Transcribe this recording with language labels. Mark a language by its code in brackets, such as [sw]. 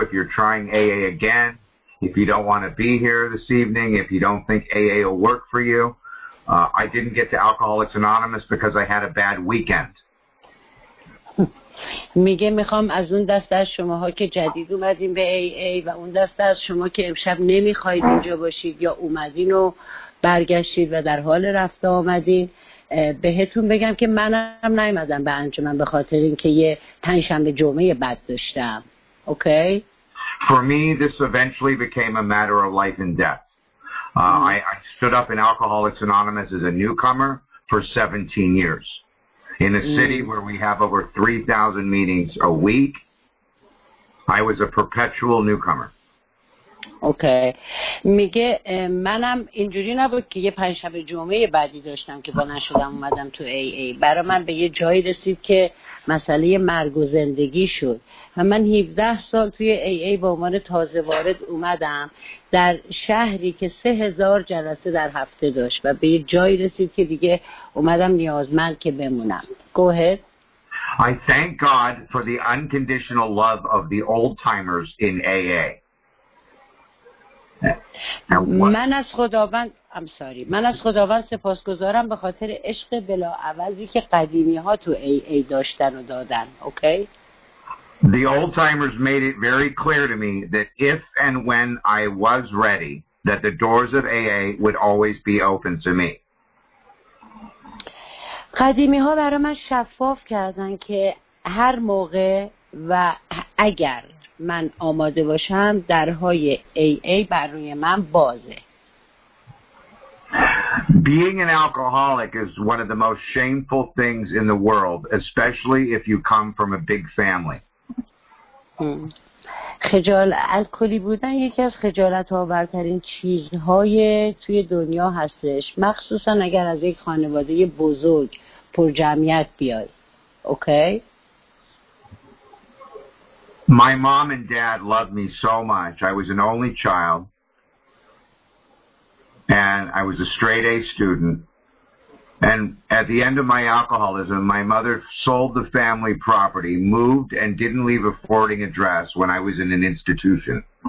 [en] If you're trying AA again, if you don't want to be here this evening, if you don't think AA will work for you, I didn't get to Alcoholics Anonymous because I had a bad weekend. [fa] میگه میخوام از اون دسته از شماها که جدید اومدین به AA و اون دسته از شما که امشب نمیخواید اینجا باشید یا اومدین و برگشتید و در حال رفت آمدین، بهتون بگم که منم نیومدم به انجمن به خاطر اینکه یه پنجشنبه جمعه بد داشتم. [en] Okay. For me this eventually became a matter of life and death. I stood up in Alcoholics Anonymous as a newcomer for 17 years in a city where we have over 3,000 meetings a week. I was a perpetual newcomer. Okay. [fa] میگه منم اینجوری نبود که یه پنجشنبه جمعه بعدی داشتم که با نشدم اومدم تو AA. برای من به یه جایی رسید که مسئله مرگ و زندگی شد و من 17 سال توی AA با عنوان تازه وارد اومدم در شهری که 3,000 جلسه در هفته داشت و به یه جایی رسید که دیگه اومدم نیازمند که بمونم. [en] Go ahead. I thank God for the unconditional love of the old timers in AA. [fa] من از خداوند من از خداوند سپاسگزارم به خاطر عشق بلاعوضی که قدیمی ها تو AA داشتن و دادن. اوکی. [en] The old timers made it very clear to me that if and when I was ready, that the doors of AA would always be open to me. [fa] قدیمی ها برای من شفاف کردن که هر موقع و اگر من آماده باشم درهای AA بر روی من بازه. [en] Being an alcoholic is one of the most shameful things in the world, especially if you come from a big family. [fa] الکلی بودن یکی از خجالت آورترین چیزهای توی دنیا هستش، مخصوصا اگر از یک خانواده بزرگ پر جمعیت بیای. [en] Okay? My mom and dad loved me so much. I was an only child and I was a straight A student. And at the end of my alcoholism, my mother sold the family property, moved, and didn't leave a forwarding address when I was in an institution.